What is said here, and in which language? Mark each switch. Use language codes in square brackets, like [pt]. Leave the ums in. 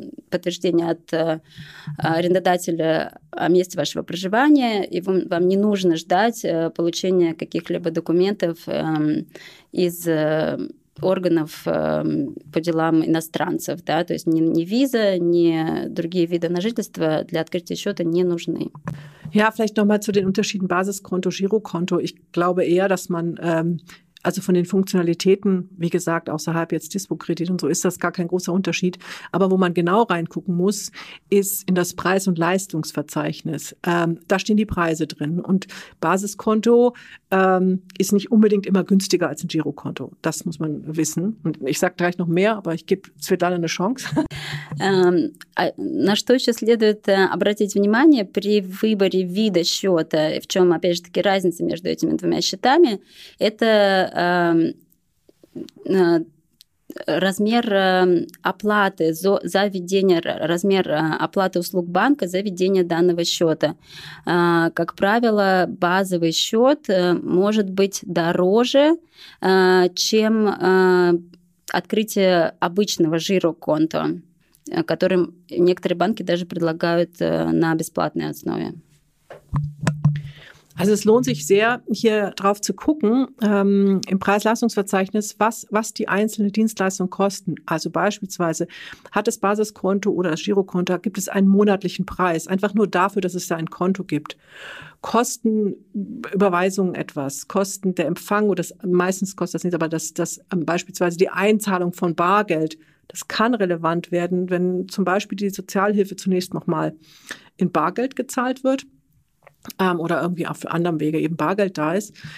[ru] подтверждение от арендодателя о месте вашего проживания, и вам не нужно ждать получения каких-либо документов из органов э, по делам иностранцев, да, то есть ни, ни виза, ни другие виды на жительство для открытия счета не нужны. [de] Ja, vielleicht nochmal zu den Unterschieden Basiskonto, Girokonto. Ich glaube eher, dass man ähm, also von den Funktionalitäten, wie gesagt, außerhalb jetzt Dispo-Kredit und so ist das gar kein großer Unterschied. Aber wo man genau reingucken muss, ist in das Preis- und Leistungsverzeichnis. Ähm, da stehen die Preise drin. Und Basiskonto ähm, ist nicht unbedingt immer günstiger als ein Girokonto. Das muss man wissen. Und ich sage gleich noch mehr, aber ich gebe Svetlana eine Chance. [ru] На что еще следует обратить внимание при выборе вида счета, в чем, опять же таки, разница между этими двумя счетами, это размер оплаты за введение, размер оплаты услуг банка за введение данного счета. Как правило, базовый счет может быть дороже, чем открытие обычного жироконта, которым некоторые банки даже предлагают на бесплатной основе. [de] Also es lohnt sich sehr, hier drauf zu gucken ähm, im Preis-Leistungsverzeichnis, was, was die einzelne Dienstleistung kosten. Also beispielsweise hat das Basiskonto oder das Girokonto, gibt es einen monatlichen Preis, einfach nur dafür, dass es da ein Konto gibt. Kosten Überweisungen etwas, Kosten der Empfang oder das, meistens kostet das nichts, aber das, das ähm, beispielsweise die Einzahlung von Bargeld, das kann relevant werden, wenn zum Beispiel die Sozialhilfe zunächst nochmal in Bargeld gezahlt wird ähm, oder irgendwie auf anderem Wege eben Bargeld da ist.